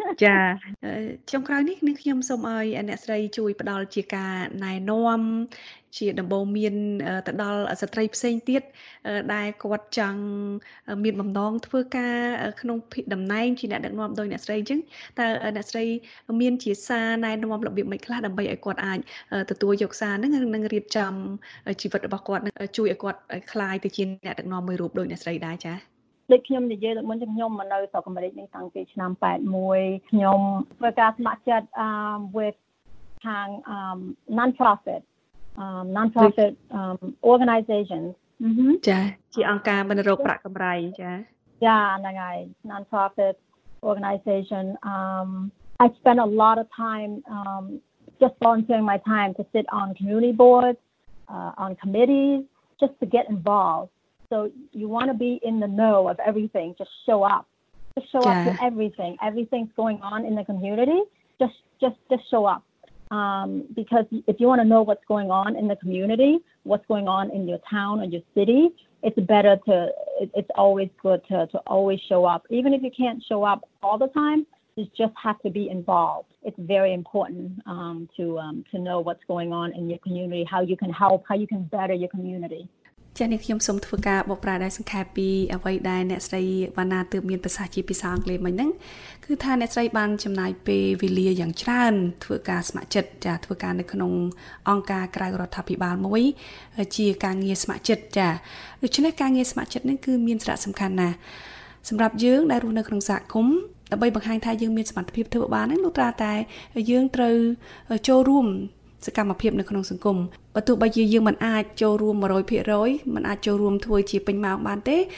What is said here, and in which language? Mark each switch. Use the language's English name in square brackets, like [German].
[Khmer] ចាចុងក្រោយនេះខ្ញុំសូមឲ្យអ្នកស្រីជួយផ្ដល់ជាការណែនាំជាដំបូងមានទៅដល់ស្ត្រីផ្សេងទៀតដែលគាត់ចង់មានបំណងធ្វើការក្នុងភិដំណែងជាអ្នកដឹកនាំដោយអ្នកស្រីអញ្ចឹងតើអ្នកស្រីមានជាសារណែនាំរបៀបមួយខ្លះដើម្បីឲ្យគាត់អាចទទួលយកសារហ្នឹងនិងរៀបចំជីវិតរបស់គាត់នឹងជួយឲ្យគាត់ក្លាយទៅជាអ្នកដឹកនាំមួយរូបដោយអ្នកស្រីដែរចា ដូចខ្ញុំនិយាយដល់មុនខ្ញុំមកនៅស្រុកអាមេរិកនេះតាំងពីឆ្នាំ81ខ្ញុំធ្វើការស្ម័គ្រចិត្ត with ខាង [English] non profitnonprofit organizations [Khmer] ចាជាអង្គការមិនរកប្រាក់កម្រៃចា ចាហ្នឹងហើយ [English] nonprofit organization I spend a lot of time just volunteering my time to sit on community boards on committees just to get involved so you want to be in the know of everything just show up to everything's going on in the community just show upbecause if you want to know what's going on in the community, what's going on in your town or your city, it's always good to always show up. Even if you can't show up all the time, you just have to be involved. It's very important to know what's going on in your community, how you can help, how you can better your community. [Khmer] ចានខ្ញុំសូមធ្វើការបកប្រែដោយសង្ខេបពីអ្វីដែលអ្នកស្រីវណ្ណាទើបមានប្រសាសន៍ជាភាសាអង់គ្លេសមិញហ្នឹងគឺថាអ្នកស្រីបានចំណាយពេលវេលាយ៉ាងច្រើនធ្វើការស្ម័គ្រចិត្តចាធ្វើការនៅក្នុងអង្គការក្រៅរដ្ឋាភិបាលមួយ ជាការងារស្ម័គ្រចិត្តចាដូច្នេះការងារស្ម័គ្រចិត្តហ្នឹងគឺមានសារៈសំខាន់ណាស់សម្រាប់យើងដែលរស់នៅក្នុងសហគមន៍ដើម្បីបង្ហាញថាយើងមានសមត្ថភាពធ្វើបានហ្នឹងលុះត្រាតែយើងត្រូវចូលរួមសកម្មភាពនៅក្នុងសង្គមបើទោះបីជាយើងមិនអាចចូលរួម 100% មិនអាចចូលរួមធ្វើជាពេញម៉ោងបានទេ